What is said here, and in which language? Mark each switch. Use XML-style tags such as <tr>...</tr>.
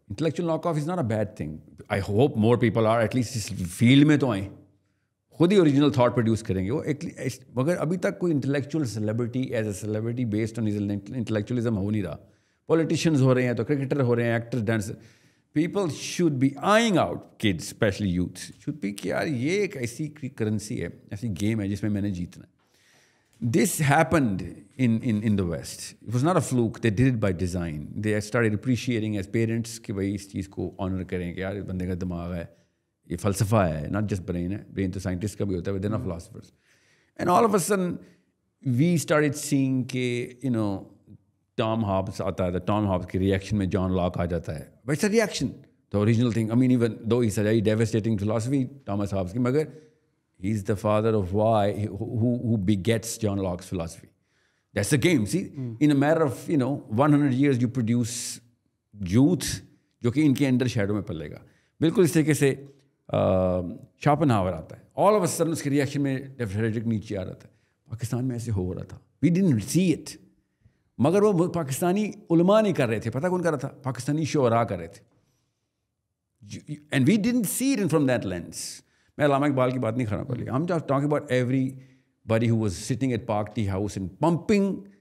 <en>Intellectual knock off is not a bad thing. I hope more people are at least</en> <hi>इस field में तो आएँ, खुद ही ओरिजिनल थाट प्रोड्यूस करेंगे वो. मगर अभी तक कोई</hi> <en>intellectual celebrity as a celebrity based on intellectualism</en> <hi>हो नहीं रहा. पॉलिटिशियंस हो रहे हैं तो क्रिकेटर हो रहे हैं, actor dancer.</hi> <en>People should be eyeing out kids, especially youths. Should be</en> <hi>कि यार ये एक ऐसी currency है, ऐसी game है जिसमें मैंने जीतना.</hi> <en>This happened in the West. It was not a fluke. They did it by design. They started appreciating as parents</en> <hi>कि भाई इस चीज़ को honor करें कि यार इस बंदे का दिमाग है, ये फलसफा है,</hi> <en>not just brain</en> <hi>है. Brain तो scientist का भी होता है,</hi> <en>but they're not philosophers. And all of a sudden, we started seeing कि you know Tom Hobbs आता है, the Tom Hobbs</en> <hi>की reaction में John Locke आ जाता है.</hi> <en>But it's a reaction, the original thing. I mean, even though he's a very devastating philosophy, Thomas Hobbes, but he's the father of why, who begets John Locke's philosophy. That's the game. See, in a matter of, you know, 100 years, you produce youth, which will be in their shadow. In the same way, Schopenhauer comes. All of a sudden, his reaction is down. Frederick Nietzsche comes. In Pakistan, it was happening. We didn't see it.</en> <hi>मगर वो पाकिस्तानी उलमा नहीं कर रहे थे, पता कौन कर रहा था? पाकिस्तानी शोरा कर रहे थे.</hi> <en>And we didn't see it in from that lens.</en> <hi>मैं अलामा इकबाल की बात नहीं खड़ा कर ली.</hi> <en>I am just talking about everybody who was sitting at party house and pumping</en>